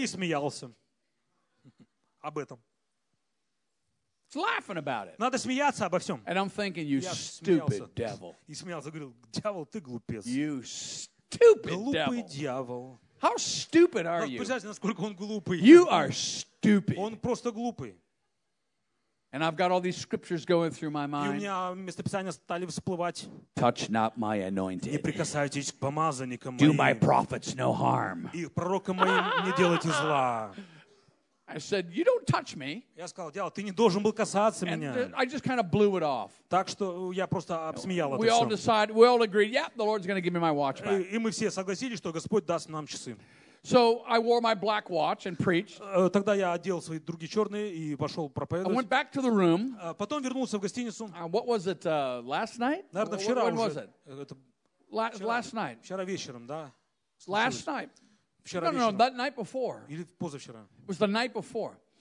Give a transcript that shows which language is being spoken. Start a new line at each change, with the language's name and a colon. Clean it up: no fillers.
Russian: И смеялся об этом.
English: It's laughing about it.
Russian: Надо смеяться обо всем.
English: And I'm thinking, you stupid devil.
Russian: И смеялся, говорил, дьявол, ты глупец.
English: You stupid devil.
Russian: Глупый дьявол.
English: How stupid are you?
Russian: Представляете, насколько он глупый.
English: You are stupid.
Russian: Он просто глупый.
English: And I've got all these scriptures going through my mind.
Russian: И у меня местописания стали всплывать.
English: Touch not my anointed.
Russian: Не прикасайтесь к помазанникам моим.
English: Do my prophets no harm.
Russian: И пророкам моим не делайте зла.
English: I said, "You don't touch me."
Russian: Я сказал, дьявол, ты не должен был касаться меня.
English: I just kind of blew it off.
Russian: Так что я просто обсмеял это все.
English: We all decided, we all agreed, yeah, the Lord's going to give me my watch back.
Russian: И мы все согласились, что Господь даст нам часы.
English: So I wore my black watch and preached.
Russian: Тогда я одел свои другие черные и пошел проповедовать.
English: I went back to the room.
Russian: Потом вернулся в гостиницу.
English: What was it last night?
Russian: Наверное, вчера уже.
English: When was it? Last night.
Russian: Вчера вечером, да.
English: Last night.
Russian: Вчера
English: no, that night before.
Russian: Или позавчера.
English: It was the night before.